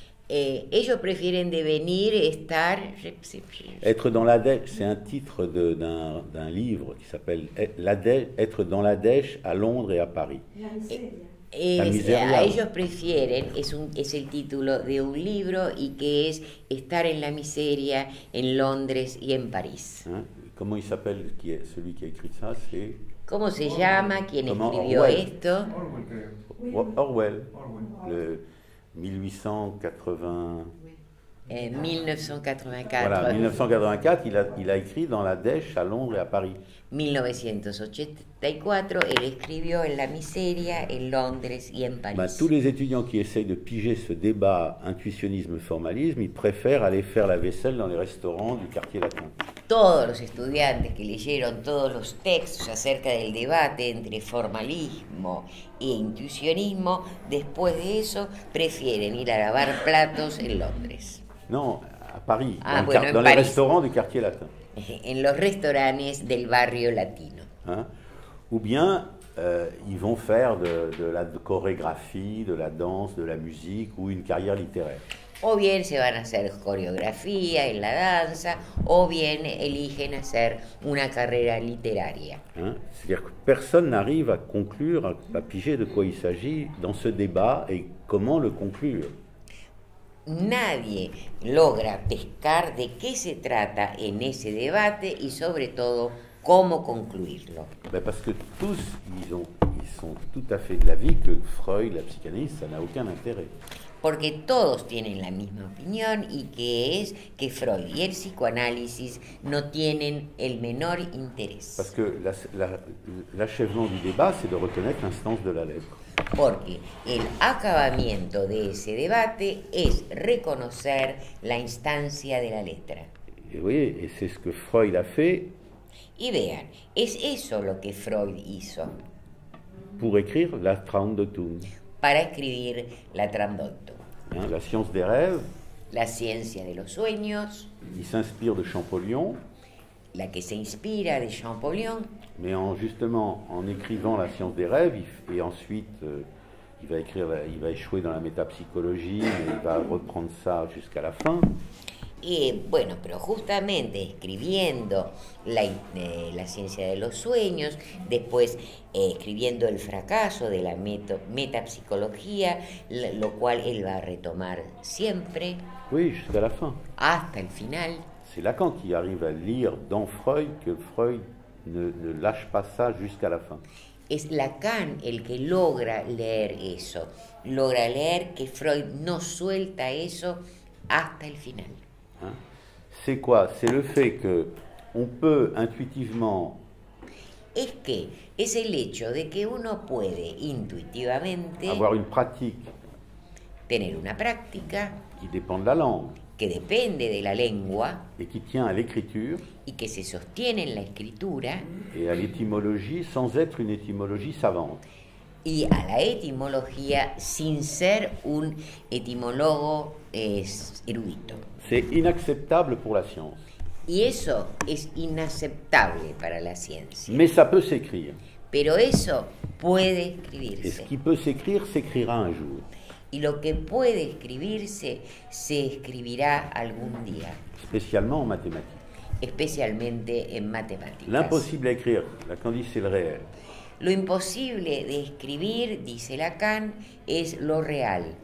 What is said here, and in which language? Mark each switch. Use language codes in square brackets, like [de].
[es] Ellos prefieren devenir estar. [fr] Être dans la dèche, c'est un titre d'un livre qui s'appelle la dèche, Être dans la dèche à Londres et à Paris. [es] La miseria. Ellos prefieren, es el título de un libro y que es Estar en la miseria en Londres y en París. Hein? [fr] Comment il s'appelle celui qui a écrit ça? C'est. [es] ¿Cómo se llama quien escribió Orwell. Esto? [fr] Orwell. Le 1984. Voilà, 1984, il a écrit dans la dèche à Londres et à Paris. [es] 1984, il escribió en la miseria en Londres y en Paris. [fr] Bah, tous les étudiants qui essayent de piger ce débat intuitionnisme-formalisme, ils préfèrent aller faire la vaisselle dans les restaurants du quartier latin. [es] Todos los estudiantes que leyeron todos los textos acerca del debate entre formalismo e intuicionismo, después de eso, prefieren ir a lavar platos en Londres. No, a París, en los restaurantes del quartier latin. En los restaurantes del barrio latino. Hein? [fr] Ou bien, ils vont faire de la chorégraphie, de la danse, de la musique ou une carrière littéraire. [es] O bien se van a hacer coreografía en la danza, o bien eligen hacer una carrera literaria. Hein? [fr] C'est-à-dire que personne n'arrive à conclure, à piger de quoi il s'agit dans ce débat et comment le conclure. [es] Nadie logra pescar de qué se trata en ese debate y sobre todo cómo concluirlo. [fr] Ben parce que tous, ils sont tout à fait de l'avis que Freud, la psychanalyse, ça n'a aucun intérêt. [es] Porque todos tienen la misma opinión y que es que Freud y el psicoanálisis no tienen el menor interés. [fr] Parce que l'achèvement du débat, c'est de reconnaître l'instance de la lettre. [es] Porque el acabamiento de ese debate es reconocer la instancia de la letra. [fr] Et oui, et c'est ce que Freud a fait [es] Y vean, es eso lo que Freud hizo. [fr] Pour écrire la Traum de Thun. [es] Para escribir la Traum de Thun. [fr] Hein, la science des rêves. [es] La ciencia de los sueños. [fr] Il s'inspire de Champollion. [es] La que se inspira de Champollion. [fr] Mais en justement en écrivant la science des rêves et ensuite il va échouer dans la métapsychologie et il va reprendre ça jusqu'à la fin. [es] Et bueno, pero justamente escribiendo la ciencia de los sueños, después escribiendo el fracaso de la métapsychologie, lo cual él va a retomar siempre. [fr] Oui, jusqu'à la fin. [es] Hasta el final. [fr] C'est Lacan qui arrive à lire dans Freud que Freud ne lâche pas ça jusqu'à la fin. [es] Es Lacan el que logra leer eso, logra leer que Freud no suelta eso hasta el final. [fr] Hein? C'est quoi? C'est le fait que on peut intuitivement. [es] Es que es el hecho de que uno puede intuitivamente [fr] avoir une pratique. [es] Tener una práctica. [fr] Qui dépend de la langue. [es] Que depende de la lengua. [fr] Et qui tient à l'écriture. [es] Y que se sostiene en la escritura. [fr] Et à l'étymologie sans être une étymologie savante. [es] Y a la etimología sin ser un etimólogo erudito. [fr] C'est inacceptable pour la science. [es] Y eso es inaceptable para la ciencia. [fr] Mais ça peut s'écrire. [es] Pero eso puede escribirse. [fr] Et ce qui peut s'écrire s'écrira un jour. [es] Y lo que puede escribirse se escribirá algún día. [fr] Spécialement en mathématiques. [es] Especialmente en matemáticas. [fr] L'impossible à écrire, Lacan dit c'est le réel. [es] Lo imposible de escribir, dice Lacan, es lo real.